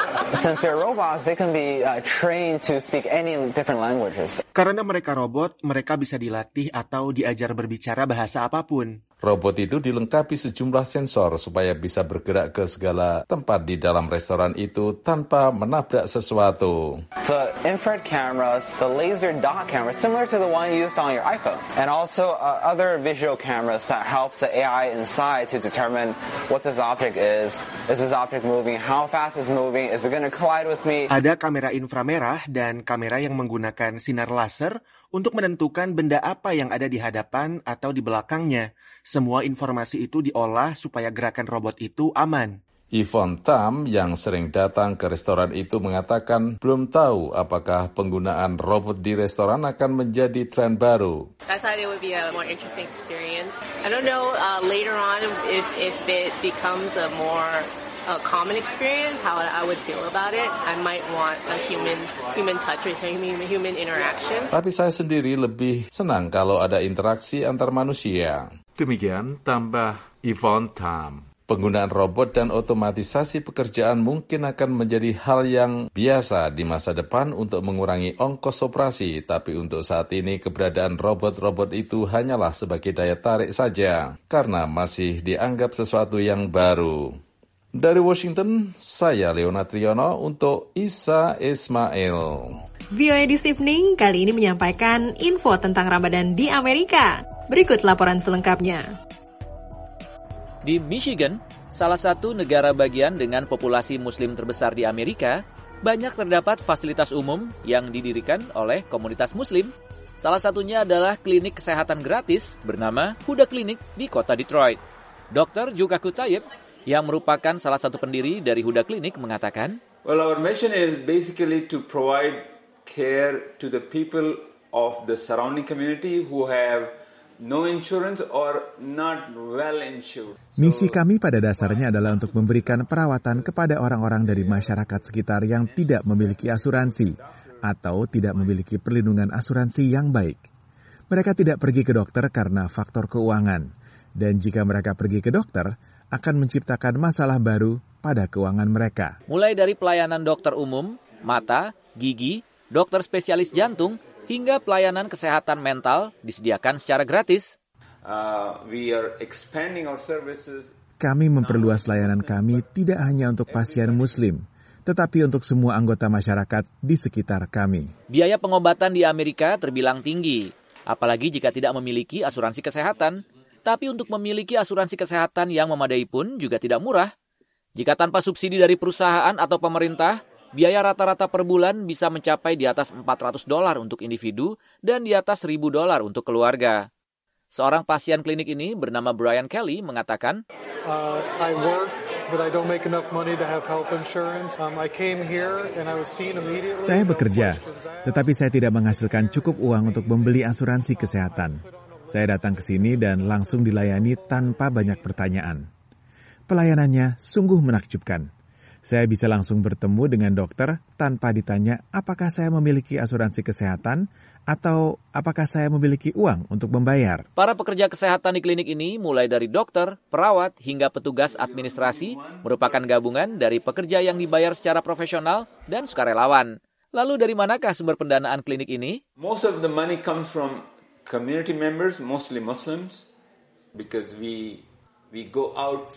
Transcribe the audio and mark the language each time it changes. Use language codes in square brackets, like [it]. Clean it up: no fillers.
[en] Since they're robots, they can be trained to speak any different languages. [id] Karena mereka robot, mereka bisa dilatih atau diajar berbicara bahasa apapun. Robot itu dilengkapi sejumlah sensor supaya bisa bergerak ke segala tempat di dalam restoran itu tanpa menabrak sesuatu. [en] The infrared cameras, the laser dot cameras, similar to the one used on your iPhone, and also other visual cameras that help the AI inside to determine what this object is. Is this object moving? How fast is moving? Is it going to collide with me? [id] Ada kamera inframerah dan kamera yang menggunakan sinar laser untuk menentukan benda apa yang ada di hadapan atau di belakangnya. Semua informasi itu diolah supaya gerakan robot itu aman. Yvonne Tam yang sering datang ke restoran itu mengatakan belum tahu apakah penggunaan robot di restoran akan menjadi tren baru. [en] I thought it would be a more interesting experience. I don't know later on if it becomes a more common experience, how I would feel about it. I might want a human touch or human interaction. [id] Tapi saya sendiri lebih senang kalau ada interaksi antar manusia. Demikian tambah Yvonne Tam. Penggunaan robot dan otomatisasi pekerjaan mungkin akan menjadi hal yang biasa di masa depan untuk mengurangi ongkos operasi, tapi untuk saat ini keberadaan robot-robot itu hanyalah sebagai daya tarik saja, karena masih dianggap sesuatu yang baru. Dari Washington, saya Leona Triyono untuk Isa Ismail. VOA This Evening kali ini menyampaikan info tentang Ramadan di Amerika. Berikut laporan selengkapnya. Di Michigan, salah satu negara bagian dengan populasi Muslim terbesar di Amerika, banyak terdapat fasilitas umum yang didirikan oleh komunitas Muslim. Salah satunya adalah klinik kesehatan gratis bernama Huda Clinic di kota Detroit. Dr. Juga Kutayib, yang merupakan salah satu pendiri dari Huda Clinic, mengatakan, [en] "Well, our mission is basically to provide care to the people of the surrounding community who have no insurance or not well insured." [id] Misi kami pada dasarnya adalah untuk memberikan perawatan kepada orang-orang dari masyarakat sekitar yang tidak memiliki asuransi atau tidak memiliki perlindungan asuransi yang baik. Mereka tidak pergi ke dokter karena faktor keuangan. Dan jika mereka pergi ke dokter, akan menciptakan masalah baru pada keuangan mereka. Mulai dari pelayanan dokter umum, mata, gigi, dokter spesialis jantung, hingga pelayanan kesehatan mental disediakan secara gratis. [en] We are expanding our services. [id] Kami memperluas layanan kami tidak hanya untuk pasien Muslim, tetapi untuk semua anggota masyarakat di sekitar kami. Biaya pengobatan di Amerika terbilang tinggi, apalagi jika tidak memiliki asuransi kesehatan. Tapi untuk memiliki asuransi kesehatan yang memadai pun juga tidak murah. Jika tanpa subsidi dari perusahaan atau pemerintah, biaya rata-rata per bulan bisa mencapai di atas $400 untuk individu dan di atas $1,000 untuk keluarga. Seorang pasien klinik ini bernama Brian Kelly mengatakan, [en] "I work, but I don't make enough money to have health insurance. I came here and I was seen immediately." [id] Saya bekerja, tetapi saya tidak menghasilkan cukup uang untuk membeli asuransi kesehatan. Saya datang ke sini dan langsung dilayani tanpa banyak pertanyaan. Pelayanannya sungguh menakjubkan. Saya bisa langsung bertemu dengan dokter tanpa ditanya apakah saya memiliki asuransi kesehatan atau apakah saya memiliki uang untuk membayar. Para pekerja kesehatan di klinik ini, mulai dari dokter, perawat, hingga petugas administrasi, merupakan gabungan dari pekerja yang dibayar secara profesional dan sukarelawan. Lalu dari manakah sumber pendanaan klinik ini? [en] Most of the money comes from community members, mostly Muslims, because we go out.